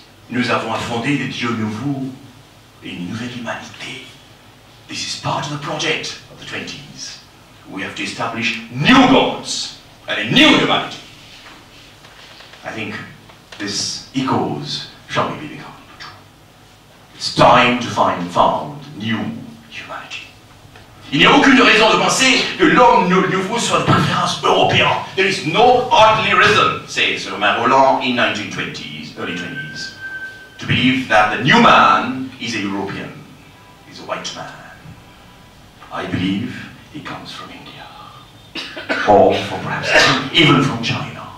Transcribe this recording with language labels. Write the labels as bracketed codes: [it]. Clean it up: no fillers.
[fr] Nous avons affronté des dieux nouveaux et une nouvelle humanité. [en] This is part of the project of the 20s. We have to establish new gods and a new humanity. I think this echoes shall be become true. It's time to find found new humanity. [fr] Il n'y a aucune raison de penser que l'homme nouveau soit de préférence européen. [en] There is no hardly reason, says Romain Rolland in 1920s, early 20s, to believe that the new man is a European, is a white man. I believe he comes from India, or perhaps even from China.